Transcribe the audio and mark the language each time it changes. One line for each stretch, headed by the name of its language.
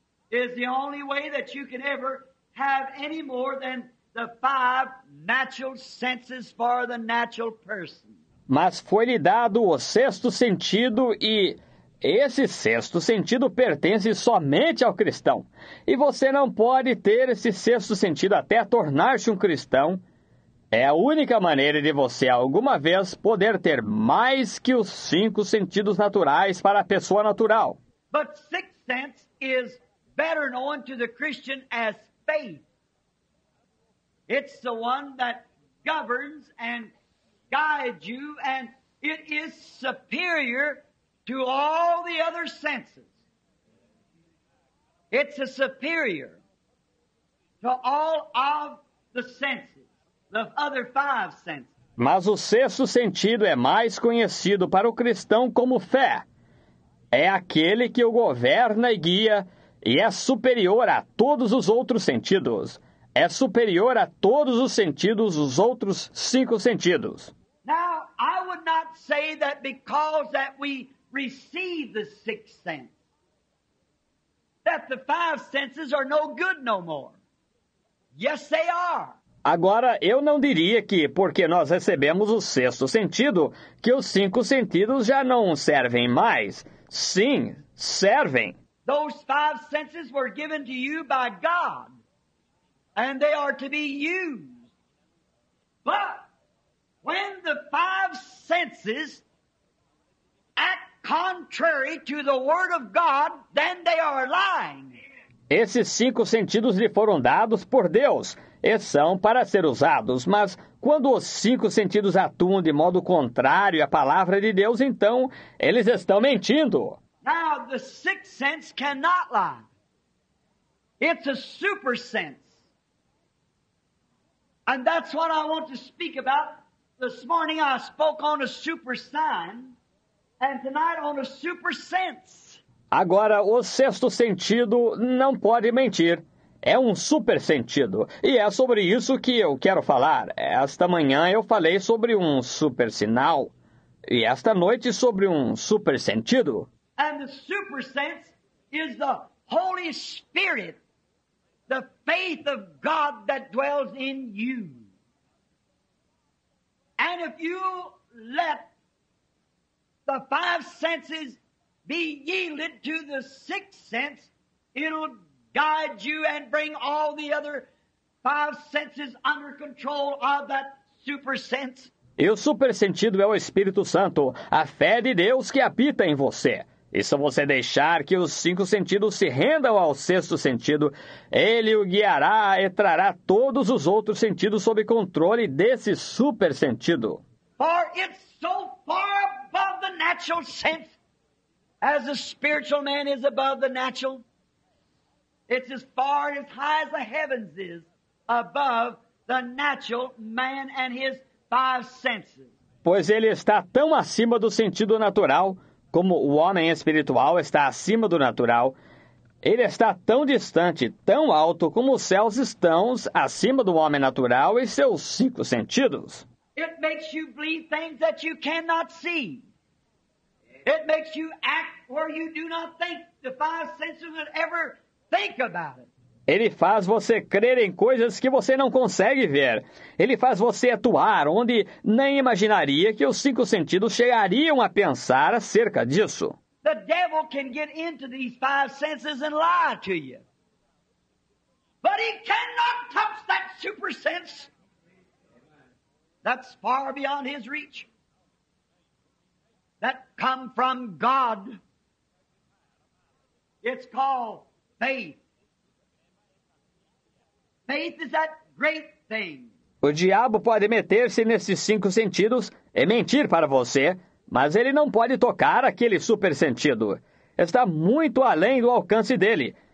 English: Is the only way that you can ever have any more than the five natural senses for the natural person.
Portuguese: Mas foi-lhe dado o sexto sentido e esse sexto sentido pertence somente ao cristão. E você não pode ter esse sexto sentido até tornar-se um cristão. É a única maneira de você alguma vez poder ter mais que os cinco sentidos naturais para a pessoa natural.
English: But sixth sense is better known to the Christian as faith. It's the one that governs and guides you, and it is superior to all the other senses. It's a superior to all of the senses, the other five senses.
Portuguese: Mas o sexto sentido é mais conhecido para o cristão como fé. É aquele que o governa e guia. E é superior a todos os outros sentidos. É superior a todos os sentidos, os outros cinco sentidos.
English: Now, I would not say that because that we receive the sixth sense, that the five senses are no good no more. Yes, they are.
Portuguese: Agora, eu não diria que porque nós recebemos o sexto sentido, que os cinco sentidos já não servem mais. Sim, servem.
English: Those five senses were given to you by God, and they are to be used. But when the five senses act contrary to the word of God, then they are lying.
Portuguese: Esses cinco sentidos lhe foram dados por Deus, e são para ser usados. Mas Quando os cinco sentidos atuam de modo contrário à palavra de Deus, então eles estão mentindo.
English: Now the sixth sense cannot lie. It's a super sense. And that's what I want to speak about. This morning I spoke on a super sign, and tonight on a super sense.
Portuguese: Agora o sexto sentido não pode mentir. É um super sentido, e é sobre isso que eu quero falar. Esta manhã eu falei sobre um super sinal, e esta noite sobre um super sentido.
English: And the super sense is the Holy Spirit, the faith of God that dwells in you. And if you let the five senses be yielded to the sixth sense, it'll guide you and bring all the other five senses under control of that super sense.
Portuguese: E o super sentido é o Espírito Santo, a fé de Deus que habita em você. E se você deixar que os cinco sentidos se rendam ao sexto sentido, ele o guiará e trará todos os outros sentidos sob controle desse super sentido.
English: For it's so far above the natural sense as a spiritual man is above the natural. It's as far and as high as the heavens is above the natural man and his five senses.
Portuguese: Pois ele está tão acima do sentido natural como o homem espiritual está acima do natural. Ele está tão distante, tão alto como os céus estão acima do homem natural e seus cinco sentidos.
English: It makes you believe things that you cannot see. It makes you act where you do not think the five senses would ever think about it.
Portuguese: Ele faz você crer em coisas que você não consegue ver. Ele faz você atuar onde nem imaginaria que os cinco sentidos chegariam a pensar acerca disso.
English: The devil can get into these five senses and lie to you. But he cannot touch that super sense. That's far beyond his reach. That come from God. It's called faith. Faith is that great thing.
Portuguese: O diabo pode meter-se nesses cinco sentidos e mentir para você, mas ele não pode tocar aquele super sentido. Está muito além do alcance dele.